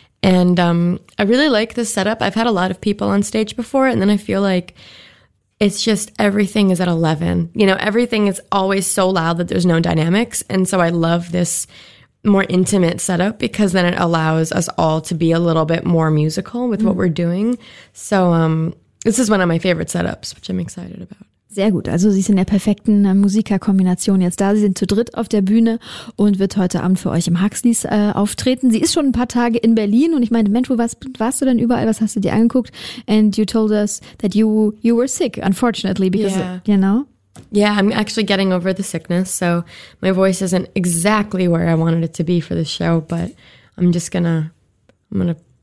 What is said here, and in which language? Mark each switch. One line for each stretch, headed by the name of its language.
English: And I really like this setup. I've had a lot of people on stage before, and then I feel like it's just everything is at 11. You know, everything is always so loud that there's no dynamics. And so I love this more intimate setup, because then it allows us all to be a little bit more musical with what we're doing. So this is one of my favorite setups, which I'm excited about.
German: Sehr gut. Also sie ist in der perfekten Musikerkombination jetzt da. Sie sind zu dritt auf der Bühne und wird heute Abend für euch im Huxleys auftreten. Sie ist schon ein paar Tage in Berlin und ich meinte, Mensch, wo warst du denn überall? Was hast du dir angeguckt?
English: And you told us that you were sick, unfortunately, because, you know? Yeah, I'm actually getting over the sickness. So my voice isn't exactly where I wanted it to be for the show, but I'm gonna